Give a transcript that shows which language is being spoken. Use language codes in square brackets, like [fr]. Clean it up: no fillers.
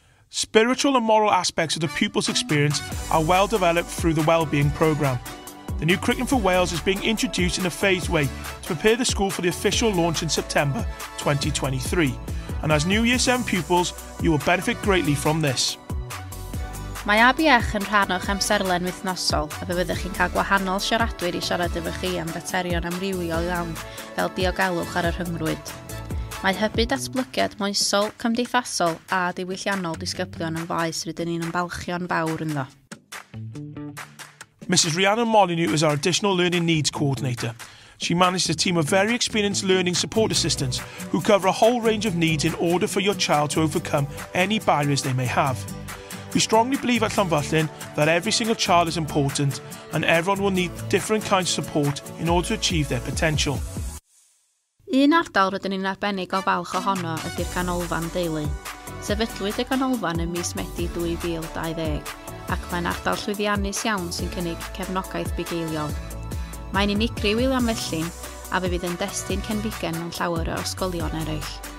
[en] Spiritual and moral aspects of the pupils' experience are well developed through the Wellbeing Programme. The new curriculum for Wales is being introduced in a phased way to prepare the school for the official launch in September 2023. And as new Year 7 pupils, you will benefit greatly from this. [cy] Mae ABH yn rhan o'ch amserlen wythnosol a fe fyddwch chi'n cael gwahanol siaradwyr I siarad efo chi am faterion amrywiol iawn fel diogelwch ar y rhyngrwyd. Mae hybu datblygiad moesol, cymdeithasol a diwylliannol disgyblion yn faes rydyn ni'n ymbalchio'n fawr ynddo. [en] Mrs. Rhiannon Molyneux is our Additional Learning Needs Coordinator. She manages a team of very experienced learning support assistants who cover a whole range of needs in order for your child to overcome any barriers they may have. We strongly believe at Llanfyllin that every single child is important and everyone will need different kinds of support in order to achieve their potential. [cy] Un ardal rydyn ni'n arbennig o falch ohono ydy'r canolfan deulu. Sefydlwyd y canolfan ym mis Medi 2020 ac mae'n ardal llwyddiannus iawn sy'n cynnig cefnogaeth bugeiliol. Mae'n unigryw i Llanfyllin a fe fydd yn destun cenbigen mewn llawer o ysgolion eraill.